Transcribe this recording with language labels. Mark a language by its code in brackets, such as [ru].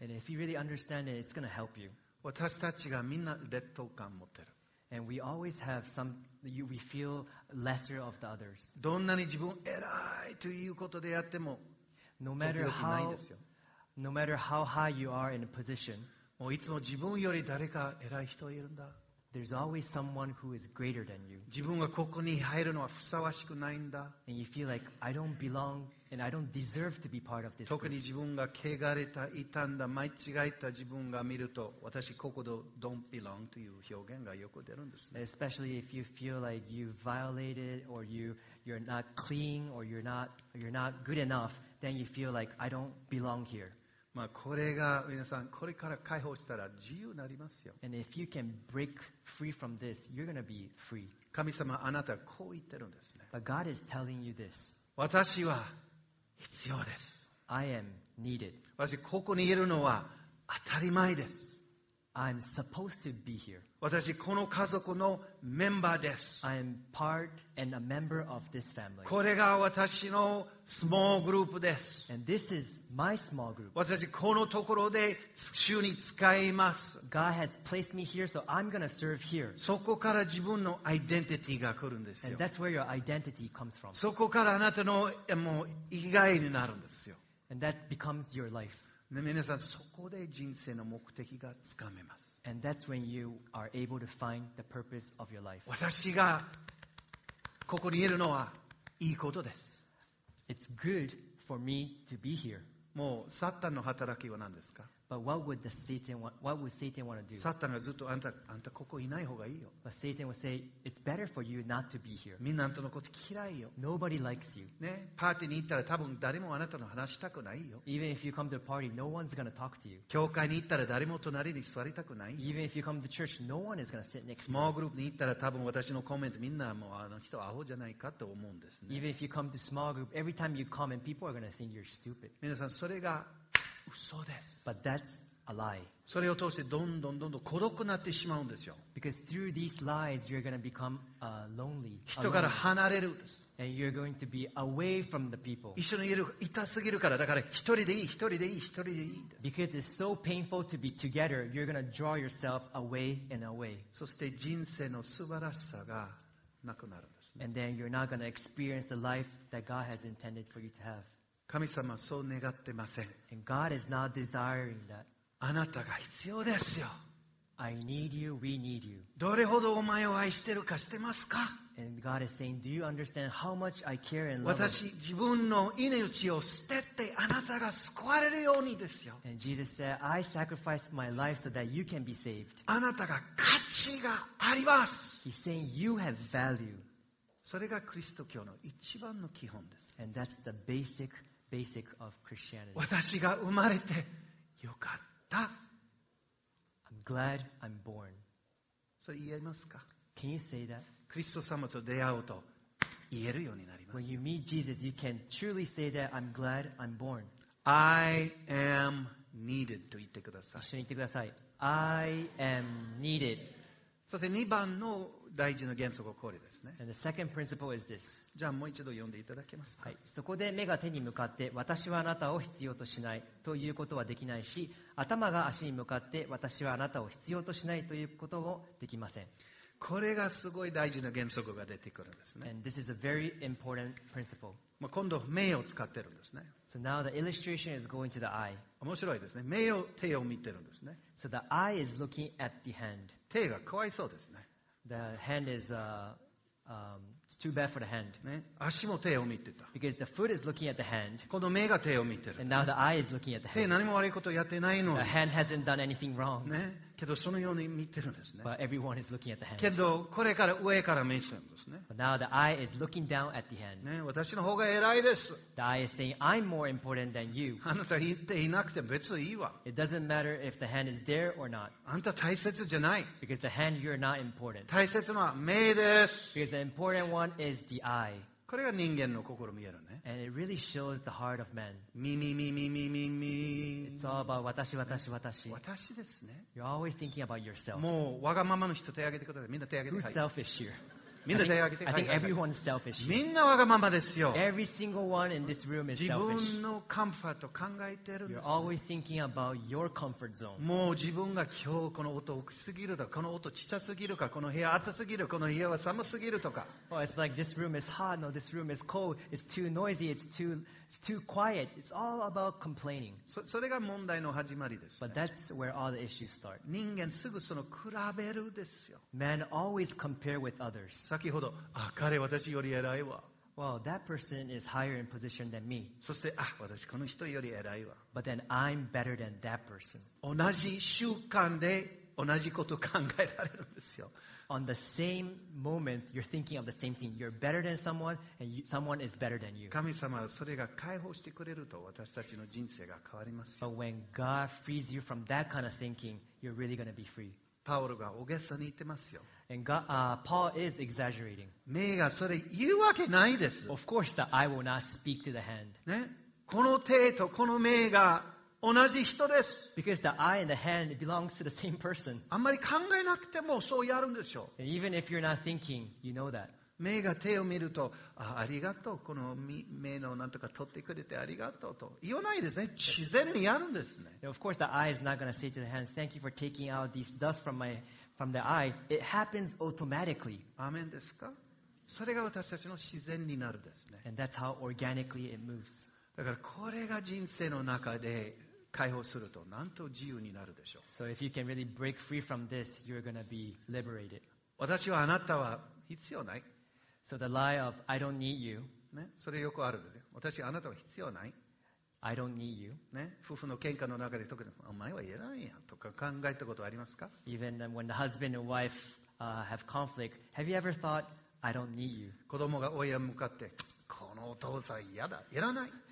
[en] And if you really understand it, it's going to help you. [ja] 私たちがみんな劣等感持ってる。 [en] And we always have some, we feel lesser of the others. [ja] どんなに自分偉いということでやっても、 [en] no matter how, no matter how high you are in a position, [ja] もういつも自分より誰か偉い人いるんだ。 [en] There's always someone who is greater than you. [ja] 自分がここに入るのはふさわしくないんだ。 [en] And you feel like I don't belong and I don't deserve to be part of this. [ja] 特に自分が汚れた、傷んだ、間違えた自分が見ると、私ここで [en] don't belong [ja] という表現がよく出るんですね。 [en] Especially if you feel like you violated or you're not clean or you're not good enough, then you feel like I don't belong here. [ja] まあ、これが皆さんこれから解放したら自由になりますよ。 [en] And if you can break free from this, you're gonna be free. [ja] 神様あなたこう言ってるんですね。 [en] But God is telling you this. [ja] 私は必要です。 [en] I am needed. [ja] 私ここにいるのは当たり前です。 [en] I'm supposed to be here. [ja] 私この家族のメンバーです。 [en] I am part and a member of this family. [ja] これが私のスモールグループです。 [en] And this is my small group. [ja] 私このところで主に使います。 [en] God has placed me here, so I'm gonna serve here. [ja] そこから自分のアイデンティティが来るんですよ。 [en] And that's where your identity comes from. [ja] そこからあなたのもう生きがいになるんですよ。 [en] And that becomes your life. [ja] ね、皆さんそこで人生の目的がつかめます。 [en] And that's when you are able to find the purpose of your life. [ja] 私がここにいるのはいいことです。 [en] It's good for me to be here. [ja] もうサタンの働きは何ですか？ [en] But what would the Satan what would Satan want to do? [ja] サタンがずっとあんたここいない方がいいよ。 [en] But Satan would say it's better for you not to be here. [ja] みんなあんたのこと嫌いよ。 [en] Nobody likes you. [ja] ね、パーティーに行ったら多分誰もあなたの話したくないよ。 [en] Even if you come to the party, no one's going to talk to you. [ja] 教会に行ったら誰も隣に座りたくないよ。 [en] Even if you come to church, no one is going to sit next to you. [ja] Small group に行ったら多分私のコメントみんなもうあの人アホじゃないかと思うんですね。 [en] Even if you come to small group, every time you come and people are going to think you're stupid. [ja] 皆さんそれが嘘です。 [en] But that's a lie. [ja] それを通してどんどんどんどん孤独になってしまうんですよ。 [en] Because through these lies, you're going to become lonely. [ja] 人から離れるんです。 [en] And you're going to be away from the people. [ja] 一緒にいる痛すぎるから、だから一人でいい、一人でいい、一人でいい。 [en] Because it's so painful to be together, you're going to draw yourself away and away. [ja] そして人生の素晴らしさがなくなるんですね。 [en] And then you're not going to experience the life that God has intended for you to have. [ja] 神様はそう願ってません。 [en] And God is not desiring that. [ja] あなたが必要ですよ。 [en] I need you, we need you. [ja] どれほどお前を愛してるかしてますか？ [en] And God is saying, do you understand how much I care and love? [ja] 私自分の命を捨ててあなたが救われるようにですよ。 [en] And Jesus said, I sacrificed my life so that you can be saved. [ja] あなたが価値があります。 [en] He's saying, you have value. [ja] それがキリスト教の一番の基本です。 [en] And that's the basic. Basic of Christianity. [ja] 私が生まれてよかった。 [en] I'm glad I'm born. [ja] それ言えますか? [en] Can you say that? [ja] クリスト様と出会うと言えるようになります。 [en] When you meet Jesus, you can truly say that I'm glad I'm born. I am needed [ja] と言ってください。一緒に言ってください。 [en] I am needed. [ja] そして2番の大事な原則はこれですね。 [en] And the second principle is this. [ja] じゃあもう一度読んでいただけますか、はい、そこで目が手に向かって私はあなたを必要としないということはできないし頭が足に向かって私はあなたを必要としないということもできませんこれがすごい大事な原則が出てくるんですね [en] And this is a very important principle. [ja] まあ今度目を使ってるんですね [en] So now the illustration is going to the eye. [ja] 面白いですね目を手を見てるんですね [en] So the eye is looking at the hand. [ja] 手がかわいそうですね [en] The hand is it's too bad for the hand.、 [ja] ね、足も手を見てた。 [en] Because the foot is looking at the hand. [ja] この目が手を見てる。 [en] And now the eye is looking at the hand. [ja] 手何も悪いことやってないのに。 [en] The hand hasn't done anything wrong.、 [ja] ね、けどそのように見てるんですね。 [en] But everyone is looking at the hand. [ja] けどこれから上から見せるんですね。 [en] But now the eye is looking down at the hand.、 [ja] ね、私の方が偉いです。 [en] The eye is saying, I'm more important than you. [ja] あなた言っていなくて別にいいわ。 [en] It doesn't matter if the hand is there or not. [ja] あんた大切じゃない。 [en] Because the hand, you're not important. [ja] 大切なのは目です。 [en] Because the important one is the eye. [ja] これが人間の心見えるね。 [en] And it really shows the heart of man. Me, me, me, me, me, me, me. It's all about [ja] 私、私、私。私ですね。 [en] You're always thinking about yourself. [ja] もうわがままの人手挙げてください。みんな手挙げてください。 [en] Who's selfish here? [ja] みんな手挙げてください。 [en] I think everyone's selfish. [ja] みんなわがままですよ。 [en] Every single one in this room is selfish. [ja] 自分のコンフォート考えてるんです。 [en] You're always thinking about your comfort zone. [ja] もう自分が今日この音大きすぎるだ、この音小さすぎるか、この部屋暑すぎる、この部屋は寒すぎるとか。 [en] Oh, it's like this room is hot. No, this room is cold. It's too noisy. It's too quiet. It's all about complaining. [ja] それが問題の始まりです、ね。 [en] But that's where all the issues start. [ja] 人間すぐその比べるですよ。 [en] Man always compare with others. [ja] 先ほど、あ、彼私より偉いわ。 [en] Well, that person is higher in position than me. [ja] そして、あ、私この人より偉いわ。 [en] But then I'm better than that person. [ja] 同じ習慣で同じこと考えられるんですよ。 [en] On the same moment, you're thinking of the same thing. You're better than someone, and someone is better than you. [ja] 神様はそれが解放してくれると私たちの人生が変わりますよ。 [en] But when God frees you from that kind of thinking, you're really going to be free. [ja] パウロが大げさに言ってますよ。 [en] And God, Paul is exaggerating. [ja] 目がそれ言うわけないです。 [en] Of course, the eye will not speak to the hand. [ja] ね、この手とこの目が同じ人です。 [en] Because the eye and the hand belongs to the same person. [ja] あんまり考えなくてもそうやるんでしょう。 [en] And even if you're not thinking, you know that. [ja] 目が手を見ると ありがとうこの目のなんとか取ってくれてありがとうと言わないですね自然にやるんですね [en] Of course the eye is not going to say to the hand thank you for taking out these dust from the eye it happens automatically [ja] アーメンですかそれが私たちの自然になるですね [en] And that's how organically it moves [ja] だからこれが人生の中で解放するとなんと自由になるでしょう [en] So if you can really break free from this you're going to be liberated [ja] 私はあなたは必要ない [en] So the lie of I don't need you. [ja] ね、それよくあるんですよ。私あなたは必要ない。 [en] I don't need you、 [ja] ね。夫婦の喧嘩の中で特にお前はいらないやとか考えたことありますか？ [en] Even when the husband and wife、have conflict, have you ever thought I don't need you? [ja] 子供が親に向かってこのお父さん嫌だ、いらない。